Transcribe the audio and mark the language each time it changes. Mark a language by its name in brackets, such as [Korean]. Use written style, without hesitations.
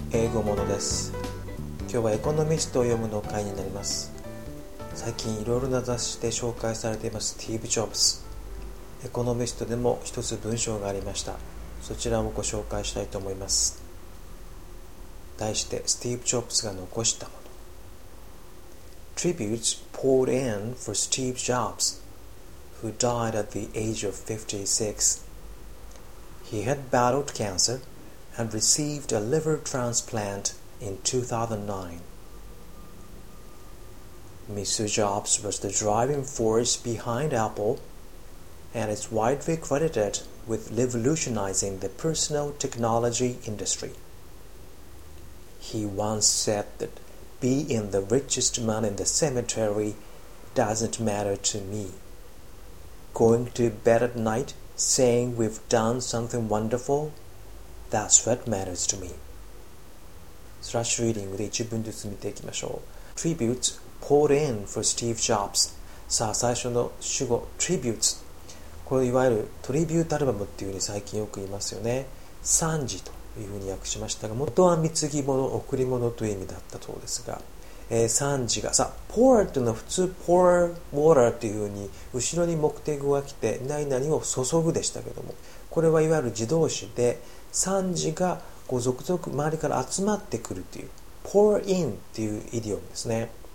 [Japanese] 英語モノです。今日はエコノミストを読むの会になります。最近いろいろな雑誌で紹介されていますスティーブ・ジョブズ、エコノミストでも一つ文章がありました。そちらをご紹介したいと思います。題してスティーブ・ジョブズが残したもの。 [English] Tributes poured in for Steve Jobs, who died at the age of 56. He had battled cancer and received a liver transplant in 2009. Mr. Jobs was the driving force behind Apple and is widely credited with revolutionizing the personal technology industry. He once said that being the richest man in the cemetery doesn't matter to me. Going to bed at night saying we've done something wonderful, that's what matters to me. [Japanese] スラッシュリーディングで一文ずつ見ていきましょう。 [English] Tributes poured in for Steve Jobs。 [Japanese] さあ最初の主語 Tributes、 これいわゆるトリビュートアルバムっていうふうに最近よく言いますよね。賛辞というふうに訳しましたが、元は貢ぎ物、贈り物という意味だったそうですが、賛辞がさ、 pour というのは普通 [English] pour water [Japanese] というふうに後ろに目的語が来て何々を注ぐでしたけども、これはいわゆる自動詞で、賛辞がこう続々周りから集まってくるという pour in というイディオムですね。